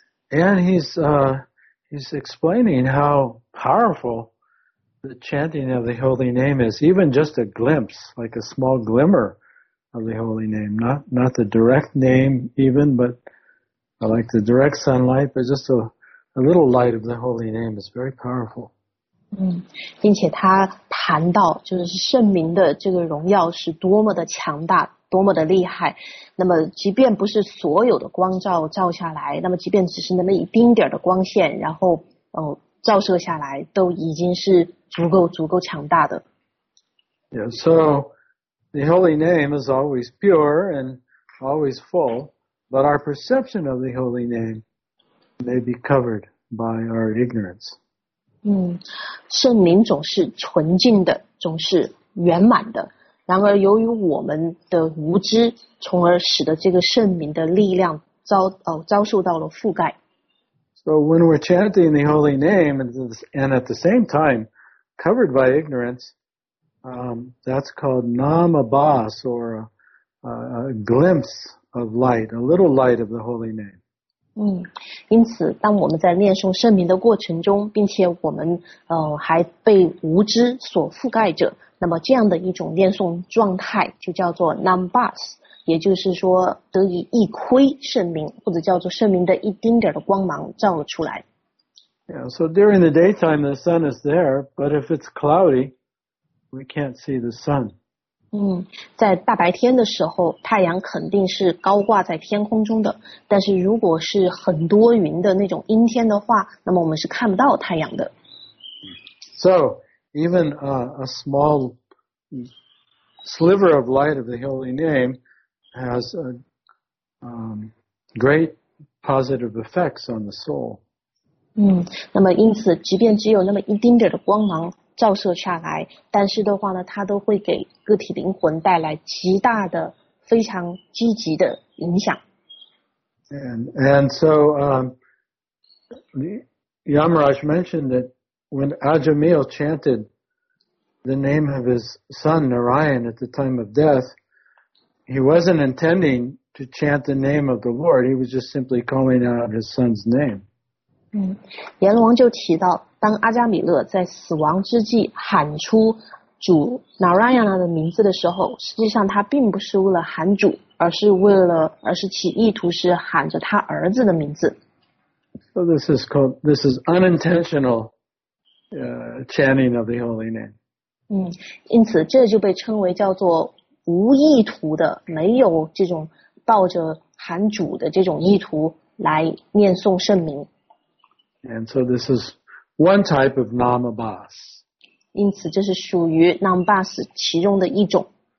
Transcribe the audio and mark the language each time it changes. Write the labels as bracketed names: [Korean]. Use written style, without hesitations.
[English] And he's explaining how powerful the chanting of the holy name is, even just a glimpse, like a small glimmer of the holy name, not the direct name even, but like the direct sunlight, but just a little light of the holy name is very powerful. [Chinese] 并且他谈到就是圣名的这个荣耀是多么的强大多么的厉害那么即便不是所有的光照照下来那么即便只是那么一丁点的光线然后照射下来都已经是足够强大的 [English] Yeah, so the holy name is always pure and always full but our perception of the holy name may be covered by our ignorance [Chinese] 圣名总是纯净的总是圆满的然而由于我们的无知从而使得这个圣名的力量 遭受到了覆盖 [English] So when we're chanting the holy name and at the same time covered by ignorance that's called namabas or a glimpse of light a little light of the holy name [Chinese] 因此当我们在念诵圣名的过程中并且我们还被无知所覆盖着那么这样的一种念诵状态就叫做 Nambas 也就是说得以一窥圣名或者叫做圣名的一丁点的光芒照了出来 [English] Yeah, so during the daytime the sun is there but if it's cloudy we can't see the sun [Chinese] 在大白天的时候太阳肯定是高挂在天空中的但是如果是很多云的那种阴天的话那么我们是看不到太阳的 [English] So, even a small sliver of light of the holy name has a great positive effects on the soul [Chinese] 那么因此即便只有那么一丁点的光芒照射下来但是的话呢它都会给个体灵魂带来极大的非常积极的影响 [English] and so Yamaraj mentioned that when Ajameel chanted the name of his son Narayan at the time of death he wasn't intending to chant the name of the Lord he was just simply calling out his son's name [Chinese] 阎罗王就提到当阿加米勒在死亡之际喊出主 Narayana 的名字的时候实际上他并不是为了喊主而是起意图是喊着他儿子的名字 [English] So this is unintentional chanting of the holy name [Chinese] 因此这就被称为叫做无意图的，没有这种抱着喊主的这种意图来念诵圣名。 [English] And so this is one type of namabhas. [Chinese] 因此这是属于 namabhas 其中的一种。